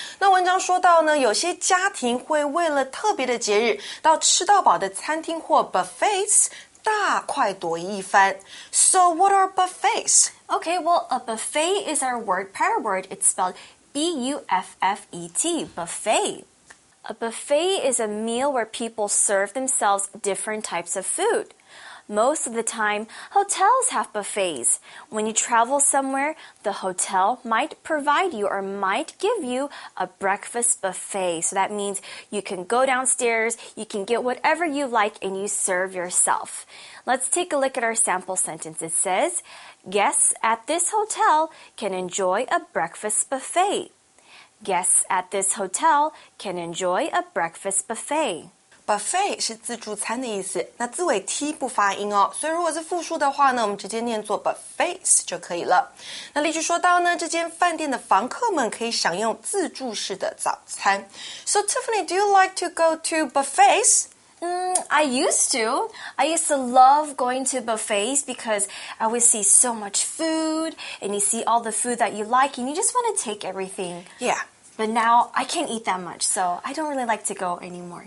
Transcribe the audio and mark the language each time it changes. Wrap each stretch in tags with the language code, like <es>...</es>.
<zh>那文章说到呢，有些家庭会为了特别的节日，到吃到饱的餐厅或 buffets 大快朵颐一番。</zh> <en>So what are buffets? Okay, well, a buffet is our word pair word. It's spelled B-U-F-F-E-T, buffet. A buffet is a meal where people serve themselves different types of food. Most of the time, hotels have buffets. When you travel somewhere, the hotel might provide you or might give you a breakfast buffet. So that means you can go downstairs, you can get whatever you like, and you serve yourself. Let's take a look at our sample sentence. It says... Guests at this hotel can enjoy a breakfast buffet. Guests at this hotel can enjoy a breakfast buffet.</en> <zh>Buffet 是自助餐的意思，那字尾 T 不发音哦，所以如果是复数的话呢，我们直接念作 buffets 就可以了。那例句说到呢，这间饭店的房客们可以享用自助式的早餐。</zh> <en>So Tiffany, do you like to go to buffets? I used to. I used to love going to buffets because I would see so much food and you see all the food that you like and you just want to take everything. Yeah. But now I can't eat that much, so I don't really like to go anymore.</en>